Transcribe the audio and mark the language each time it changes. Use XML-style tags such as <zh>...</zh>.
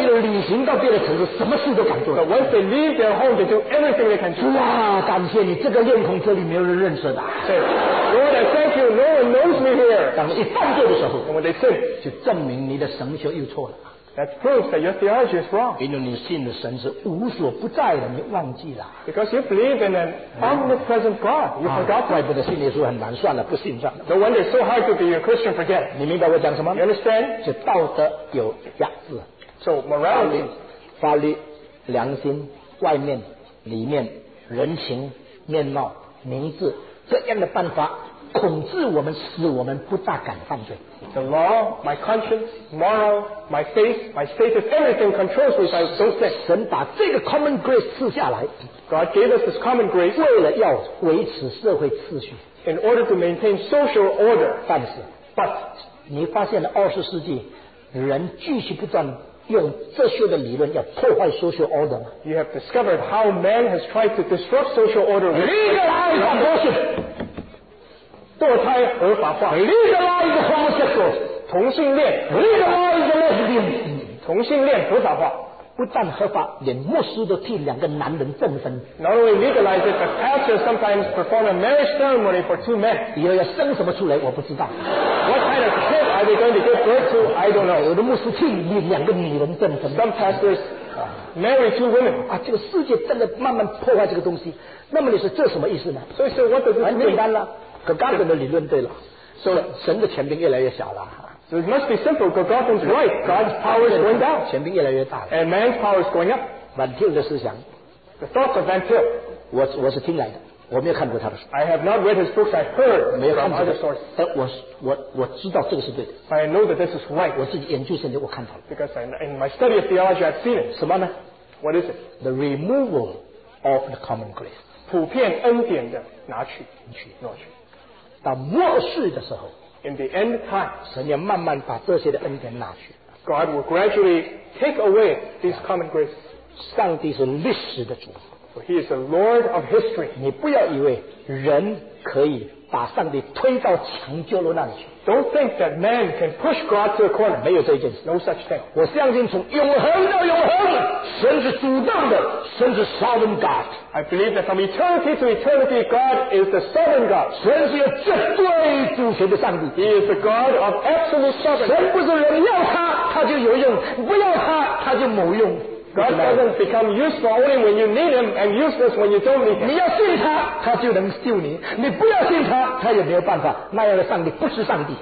<zh>一路旅行到别的城市，什么事都敢做。</zh> <en>But once they leave their home, they do everything they can do.</en> <zh>哇，感谢你，这个面孔这里没有人认识的。</zh> <en>对 ，Lord, I thank you. No one knows me here.</en> <zh>当一犯罪的时候</zh> <en>，When they sin,</en> <zh>就证明你的神学又错了。</zh> <en>That proves that your theology is wrong.</en> <zh>因为你信的神是无所不在的，你忘记了。</zh> <en>Because you believe in an omnipresent God, you forgot.</en> <zh>怪不得信耶稣很难，算了，不信算了。</zh> <en>The one that's so hard to be a Christian forget.</en> <zh>你明白我讲什么</zh> <en>？You understand?</en> <zh>是道德有瑕疵。</zh> <en>So morality,</en> <zh>法律、良心、外面、里面、人情、面貌、名字，这样的办法。控制我们，使我们不大敢犯罪。</zh> <en>The law, my conscience, moral, my faith, my status, everything controls me. I don't sin.</en> <zh>神把这个 common grace 赐下来。</zh> <en>God gave us this common grace.</en> <zh>为了要维持社会秩序。</zh> <en>In order to maintain social order.</en> <zh>但是</zh> <en>，But</en> <zh>你发现了二十世纪，人继续不断。用这些的理论要破坏 social order。</zh> <en>You have discovered how man has tried to disrupt social order. Legalize abortion.</en> <zh>堕胎合法化</zh> <en>，legalize homosexual</en> <zh>同性恋</zh> <en>，legalize lesbian</en> <zh>同性恋合法化，不但合法，连牧师都替两个男人证婚。</zh> <en>Not only legalize it, but pastors sometimes perform a marriage ceremony for two men.</en> <zh>以后要生什么出来，我不知道。</zh> <en>What kind of kid are they going to give birth to? I don't know.</en> <zh>有的牧师替两个女人证婚。</zh> <en>Some pastors marry two women.</en> <zh>啊，这个世界正在慢慢破坏这个东西。那么你说这什么意思呢</zh> <en>？So so what does it mean?</en> <zh>很简单了。Gagarin 的理论对了，所以神的权柄越来越小了。</zh> <en>So it must be simple. Gagarin's right. God's power is going down.</en> <zh>权柄越来越大了。</zh> <en>And man's power is going up.</en> <zh>Van Til 的思想。</zh> <en>The thoughts of Van Til.</en> <zh>我是听来的，我没有看过他的书。</zh> <en>I have not read his books. I heard from other sources.</en> <zh>但我知道这个是对的。</zh> <en>I know that this is right.</en> <zh>我自己研究圣经，我看到了。</zh> <en>Because in my study of theology, I've seen it.</en> <zh>什么呢</zh> <en>？What is it? The removal of the common grace.</en> <zh>普遍恩典的拿取，挪去。到末世的时候</zh> <en>In the end time,</en> <zh>神要慢慢把这些的恩典拿去</zh> <en>God will gradually take away these common graces.</en> <zh>上帝是历史的主,</zh> <en>for he is the Lord of history.</en> <zh>你不要以为人可以</zh> <en>Don't think that man can push God to a corner.</en> <zh>没有这一件事,</zh> <en>no such thing.</en> <zh>我相信从永恒到永恒, 神是主动的, 神是sovereign God.</zh> <en>I believe that from eternity to eternity, God is the sovereign God.</en> <zh>神是有绝对主权的上帝,</zh> <en>he is the God of absolute sovereignty.</en> <zh>神不是人要他, 他就有用, 不要他, 他就没用。</zh> <en>God doesn't become useful only when you need him and useless when you don't need him.</en> <zh>你要信他, 他就能救你, 你不要信他, 他也没有办法, 那样的上帝不是上帝。</zh>